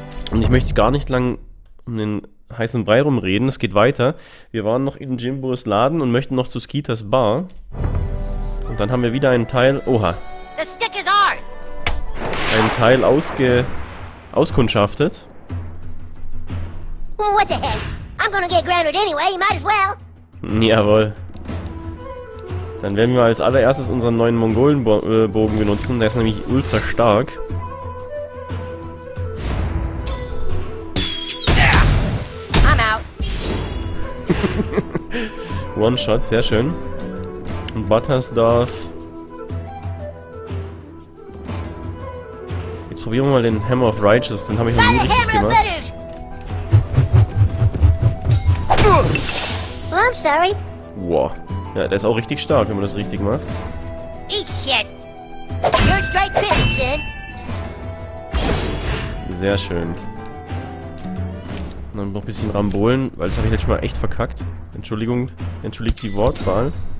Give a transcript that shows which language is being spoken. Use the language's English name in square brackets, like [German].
[German] Und ich möchte gar nicht lang um den heißen Brei rumreden, es geht weiter. Wir waren noch in Jimbos Laden und möchten noch zu Skeeters Bar. Und dann haben wir wieder einen Teil... Oha. [English] The stick is ours. [German] Einen Teil auskundschaftet. [English] What the heck? I'm gonna get grounded anyway, you might as well. [German] Jawohl. Dann werden wir als allererstes unseren neuen Mongolenbogen benutzen. Der ist nämlich ultra stark. [English] I'm out. [German] One shot, sehr schön. Und Buttersdorf. Jetzt probieren wir mal den Hammer of Righteous. Den habe ich noch nie richtig gemacht. [English] I'm sorry. [German] Wow. Ja, der ist auch richtig stark, wenn man das richtig macht. [English] Eat shit. You're straight tripping, Jin. [German] Sehr schön. Dann noch ein bisschen Rambolen, weil das habe ich jetzt schon mal echt verkackt. Entschuldigung, entschuldigt die Wortwahl.